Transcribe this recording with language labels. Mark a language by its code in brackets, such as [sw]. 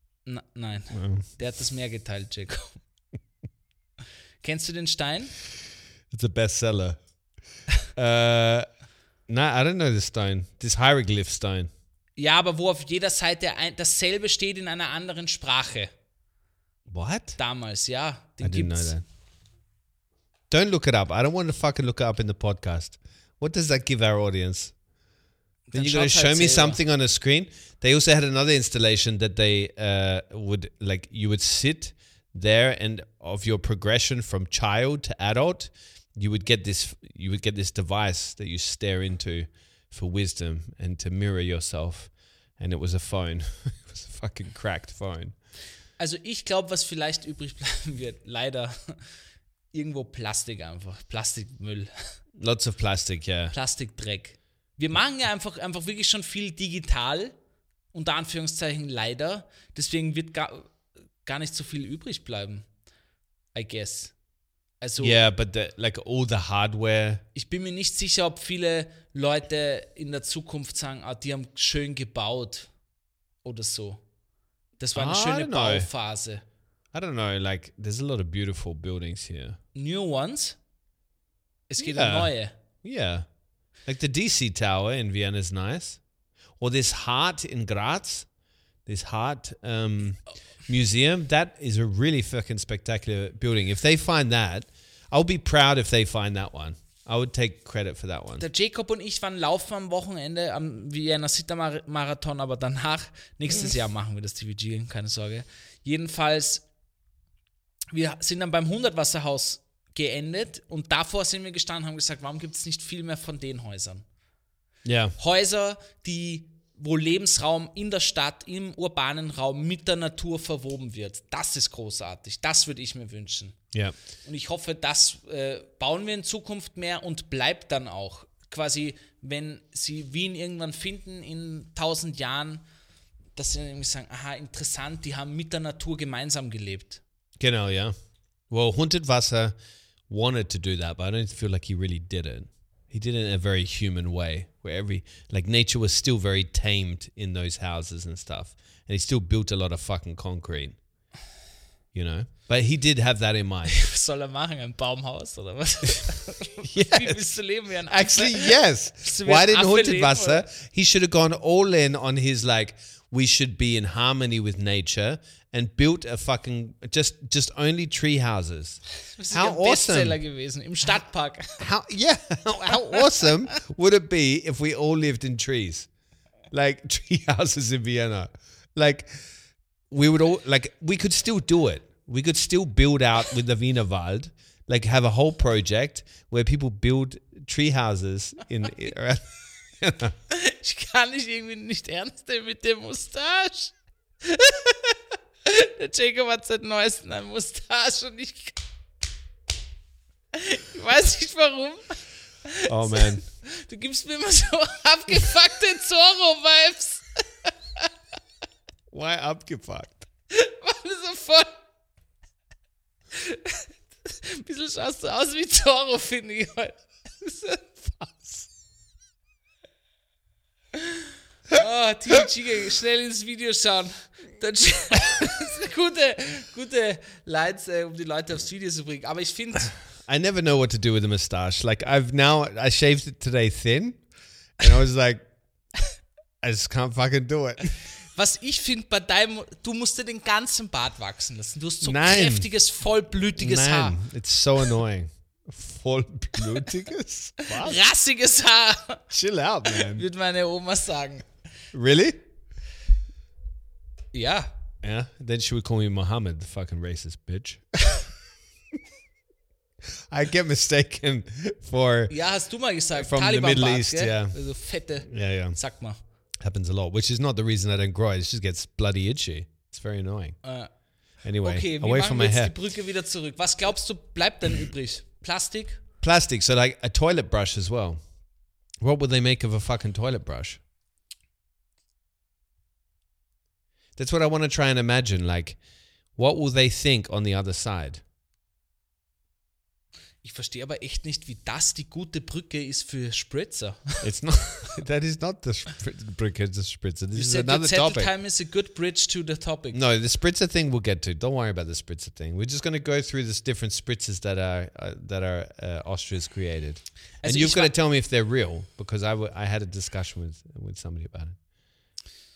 [de] Nein. Oh. Der hat das Meer geteilt, Jacob. Kennst du den Stein? [en] It's a bestseller. I don't know this stone. This hieroglyph stone. [de] Ja, aber wo auf jeder Seite dasselbe steht in einer anderen Sprache. [en] What? [de] Damals, ja. Den I gibt's. [en] Didn't know that. Don't look it up. I don't want to fucking look it up in the podcast. What does that give our audience? Then you're going to show me something on a screen? They also had another installation that they would, like, you would sit there and of your progression from child to adult, you would get this device that you stare into for wisdom and to mirror yourself. And it was a phone. It was a fucking cracked phone. [de] Also ich glaube, was vielleicht übrig bleiben wird, leider, irgendwo Plastik einfach, Plastikmüll. [en] Lots of plastic, yeah. [de] Plastikdreck. Wir machen ja einfach wirklich schon viel digital, unter Anführungszeichen leider. Deswegen wird gar nicht so viel übrig bleiben, [en] I guess. [de] Also, [en] yeah, but all the hardware. [de] Ich bin mir nicht sicher, ob viele Leute in der Zukunft sagen, ah, die haben schön gebaut oder so. Das war eine schöne Bauphase. [en] I don't know, like, there's a lot of beautiful buildings here. New ones? [de] Es geht um neue. [en] Yeah. Like the DC Tower in Vienna is nice. Or this Hart in Graz. This Hart Museum. That is a really fucking spectacular building. If they find that, I'll be proud if they find that one. I would take credit for that one. [de] Der Jacob und ich waren laufen am Wochenende am Vienna City Marathon, aber danach, nächstes Jahr machen wir das TVG, keine Sorge. Jedenfalls, wir sind dann beim 100-Wasserhaus geendet und davor sind wir gestanden und haben gesagt, warum gibt es nicht viel mehr von den Häusern? Ja. Häuser, wo Lebensraum in der Stadt, im urbanen Raum mit der Natur verwoben wird. Das ist großartig. Das würde ich mir wünschen. Ja. Und ich hoffe, das bauen wir in Zukunft mehr und bleibt dann auch. Quasi, wenn sie Wien irgendwann finden in 1000 Jahren, dass sie dann irgendwie sagen, aha, interessant, die haben mit der Natur gemeinsam gelebt. Genau, ja. [en] Well, Hunted Wasser wanted to do that, but I don't feel like he really did it. He did it in a very human way, where nature was still very tamed in those houses and stuff. And he still built a lot of fucking concrete, you know? But he did have that in mind. [de] Was soll er machen? Ein Baumhaus oder was? [en] Yes. [de] Wie willst du leben wie ein Affe? [en] Actually, yes. Why didn't Hunted Wasser? He should have gone all in on his, like, we should be in harmony with nature and built a fucking, just only tree houses. How awesome. [de] Bestseller gewesen, im Stadtpark. [en] How awesome would it be if we all lived in trees? Like tree houses in Vienna. Like, we would all, like, we could still do it. We could still build out with the Wienerwald, like have a whole project where people build tree houses in around. [de] Ich kann dich irgendwie nicht ernst nehmen mit dem Mustache. Der Jacob hat seit neuestem ein Mustache und ich weiß nicht warum. Oh man. Du gibst mir immer so abgefuckte Zorro-Vibes. [en] Why [de] abgefuckt? Weil du so voll. Ein bisschen schaust du aus wie Zorro, finde ich heute. Oh, TG, schnell ins Video schauen. Das ist eine gute Lines, um die Leute aufs Video zu bringen. Aber ich finde... [en] I never know what to do with a mustache. Like, I shaved it today thin. And I was like, I just can't fucking do it. [de] Was ich finde bei deinem... Du musst dir den ganzen Bart wachsen lassen. Du hast so kräftiges, vollblütiges Haar. Nein, [en] it's so annoying. [de] Vollblutiges? Was? Rassiges Haar. [en] Chill out, man. [de] Würde meine Oma sagen. [en] Really? [de] Ja. [en] Yeah? Then she would call me Mohammed, the fucking racist bitch. I get mistaken for... [de] Ja, hast du mal gesagt. [en] From Taliban the Middle East, [de] gell? [en] Yeah. [de] Also fette... [en] Yeah, yeah. [de] Sag mal. [en] happens a lot, which is not the reason I don't grow it. It just gets bloody itchy. It's very annoying. Anyway, okay, away from my hair. [de] Die Brücke wieder zurück. Was glaubst du, bleibt denn übrig? Plastik? [en] Plastic, so like a toilet brush as well. What would they make of a fucking toilet brush? That's what I want to try and imagine. Like, what will they think on the other side? [de] Ich verstehe aber echt nicht, wie das die gute Brücke ist für Spritzer. [en] It's not, that is not the Brücke to Spritzer. This you is another the topic. The time is a good bridge to the topic. No, the Spritzer thing we'll get to. Don't worry about the Spritzer thing. We're just going to go through the different Spritzers that are Austria's created. [de] Also [en] and you've got to tell me if they're real, because I had a discussion with somebody about it.